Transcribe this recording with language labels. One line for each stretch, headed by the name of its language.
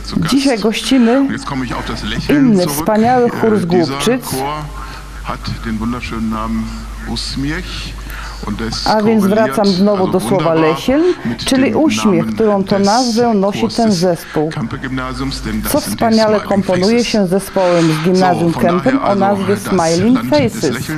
Polish: Dzisiaj gościmy inny wspaniały chór z Głubczyc.
German: Hat den wunderschönen Namen Usmiech.
Polish: A więc wracam znowu do słowa Lächeln, czyli uśmiech, którą to nazwę nosi ten zespół. Co wspaniale komponuje się z zespołem z gimnazjum Kempen o nazwie Smiling Faces.